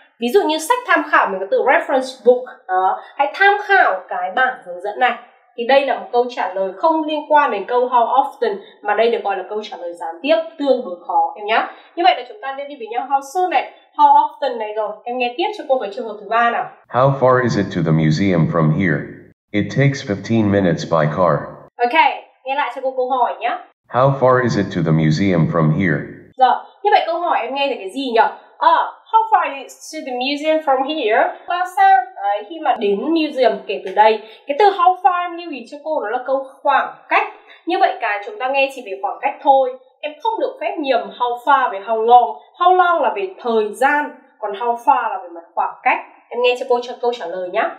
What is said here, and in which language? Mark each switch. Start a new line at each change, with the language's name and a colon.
Vietnamese: Ví dụ như sách tham khảo mình có từ reference book, hãy tham khảo cái bản hướng dẫn này. Thì đây là một câu trả lời không liên quan đến câu how often, mà đây được gọi là câu trả lời gián tiếp, tương đối khó em nhá. Như vậy là chúng ta nên đi với nhau
English: how soon
Vietnamese: này,
English: how often
Vietnamese: này rồi. Em nghe tiếp cho cô về trường hợp thứ ba nào.
English: How far is it to the museum from here? It takes 15 minutes by car.
Vietnamese: Ok, nghe lại cho cô câu hỏi nhé.
English: How far is it to the museum from here?
Vietnamese: Dạ, như vậy câu hỏi em nghe là cái gì nhỉ?
English: How far is to the museum from here?
Vietnamese: Bao xa? Đấy, khi mà đến museum kể từ đây. Cái từ how far lưu ý cho cô đó là câu khoảng cách. Như vậy cả chúng ta nghe chỉ về khoảng cách thôi. Em không được phép nhầm
English: how far
Vietnamese: với
English: how long. How long
Vietnamese: là về thời gian, còn
English: how far
Vietnamese: là về mặt khoảng cách. Em nghe cho cô cho câu trả lời nhá.